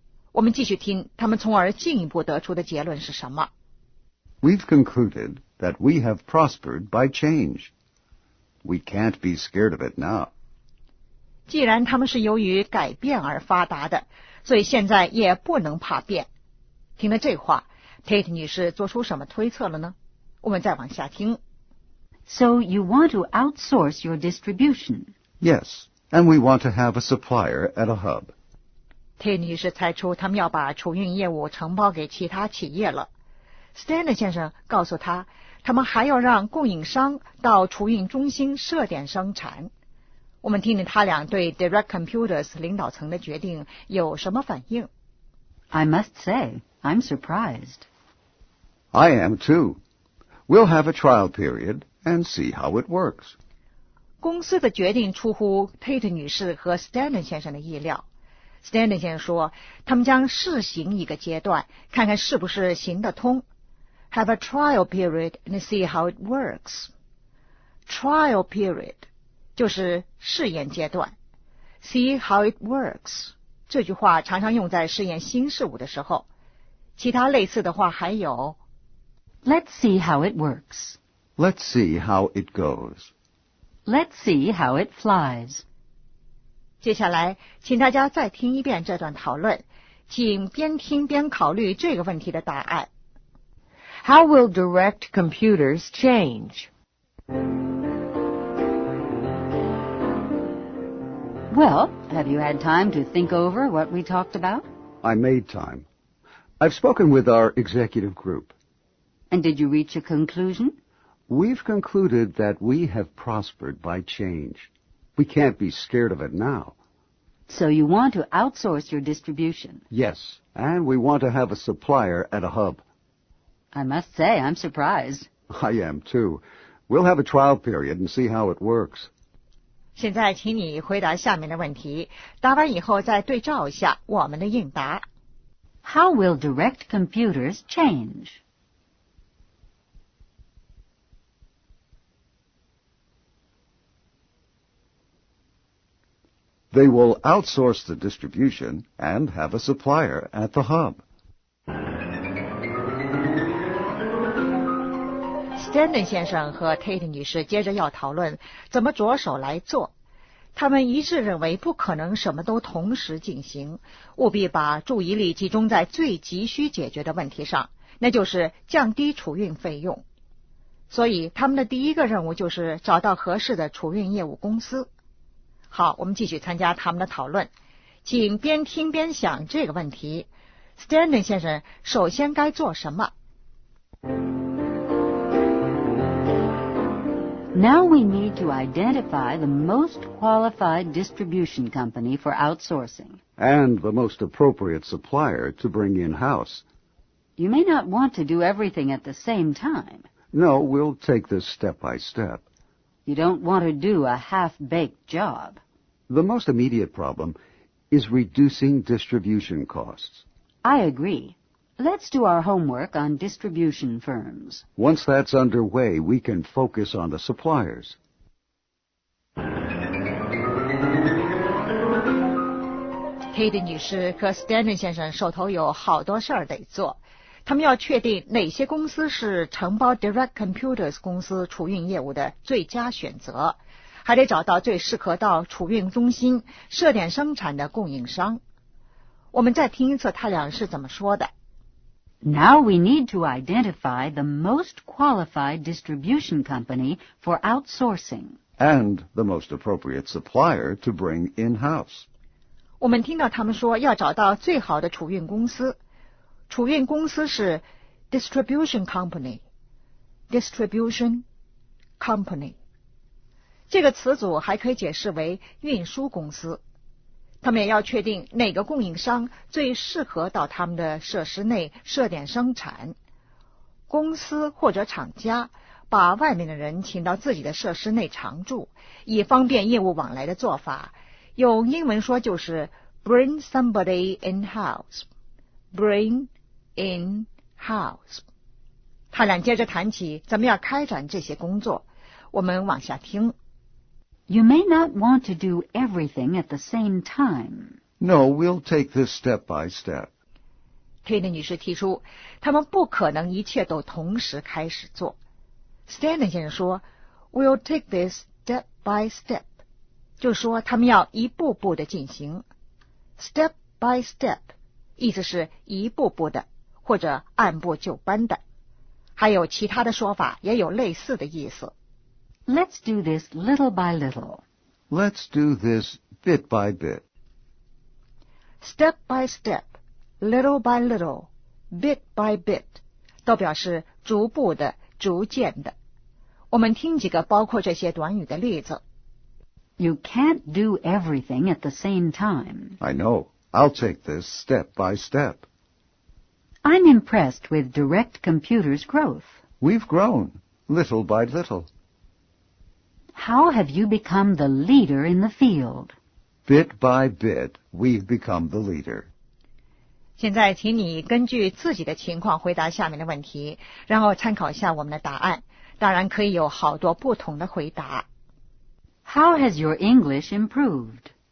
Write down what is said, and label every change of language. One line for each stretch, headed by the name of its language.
Chinese: 我们继续听他们从而进一步得出的结论是什么。
English: We've concluded that we have prospered by change. We can't be scared of it now.
Chinese: 既然他们是由于改变而发达的，所以现在也不能怕变。听了这话， Tate 女士做出什么推测了呢？我们再往下听。
English: So you want to outsource your distribution? Yes, and we want to have a supplier at a hub.
Chinese: Tate 女士猜出他们要把储运业务承包给其他企业了。 Stanton 先生告诉他，他们还要让供应商到储运中心设点生产。我们听听他俩对 Direct Computers 领导层的决定有什么反应。
English: I must say, I'm surprised. I am too. We'll have a trial period and see how it works.
Chinese: 公司的决定出乎佩特女士和 Stanton 先生的意料。 Stanton 先生说，他们将试行一个阶段，看看是不是行得通。
English: Have a trial period and see how it works. Trial period
Chinese: 就是试验阶段。
English: See how it works
Chinese: 这句话常常用在试验新事物的时候。其他类似的话还有
English: Let's see how it works. Let's see how it goes. Let's see how it flies.
Chinese: 接下来请大家再听一遍这段讨论，请边听边考虑这个问题的答案。
English: How will direct computers change? Well, have you had time to think over what we talked about? I made time. I've spoken with our executive group. And did you reach a conclusion? We've concluded that we have prospered by change. We can't be scared of it now. So you want to outsource your distribution? Yes, and we want to have a supplier at a hub. I must say, I'm surprised. I am, too. We'll have a trial period and see how it works.
Chinese: 现在请你回答下面的问题，答完以后再对照一下我们的应答。
English: How will direct computers change? They will outsource the distribution and have a supplier at the hub.
Chinese: Stanton 先生和 Tate 女士接着要讨论怎么着手来做。他们一致认为不可能什么都同时进行，务必把注意力集中在最急需解决的问题上，那就是降低储运费用。所以他们的第一个任务就是找到合适的储运业务公司。好，我们继续参加他们的讨论，请边听边想这个问题。 Stanton 先生首先该做什么？
English: Now we need to identify the most qualified distribution company for outsourcing. And the most appropriate supplier to bring in-house. You may not want to do everything at the same time. No, we'll take this step by step. You don't want to do a half-baked job. The most immediate problem is reducing distribution costs. I agree. Let's do our homework on distribution firms. Once that's underway, we can focus on the suppliers.
Chinese: 佩蒂女士和 Stanton 先生手头有好多事儿得做，他们要确定哪些公司是承包 Direct Computers 公司储运业务的最佳选择，还得找到最适合到储运中心设点生产的供应商。我们再听一次他俩是怎么说的。
English: Now we need to identify the most qualified distribution company for outsourcing. And the most appropriate supplier to bring in-house.
Chinese: 我们听到他们说要找到最好的储运公司。储运公司是
English: distribution company. Distribution company.
Chinese: 这个词组还可以解释为运输公司。他们也要确定哪个供应商最适合到他们的设施内设点生产。公司或者厂家把外面的人请到自己的设施内常住，以方便业务往来的做法，用英文说就是
English: bring somebody in house. Bring in house.
Chinese: 他俩接着谈起怎么样开展这些工作，我们往下听。
English: You may not want to do everything at the same time. No, we'll take this step by step.
Chinese: Kate 女士提出，他们不可能一切都同时开始做。
English: Stanton
Chinese: 先生说
English: ,we'll take this step by step.
Chinese: 就说他们要一步步的进行。
English: Step by step,
Chinese: 意思是一步步的或者按部就班的。还有其他的说法也有类似的意思。
English: Let's do this little by little. Let's do this bit by bit. Step by step, little by little, bit by bit,
Chinese: 都表示逐步的、逐渐的。我们听几个包括这些短语的例子。
English: You can't do everything at the same time. I know. I'll take this step by step. I'm impressed with Direct Computer's growth. We've grown, little by little. How have you become the leader in the field? Bit by bit, we've become the leader.
Chinese: 现在请你根据自己的情况回答下面的问题，然后参考一下我们的答案。当然可以有好多不同的回答。
English: How has your English improved?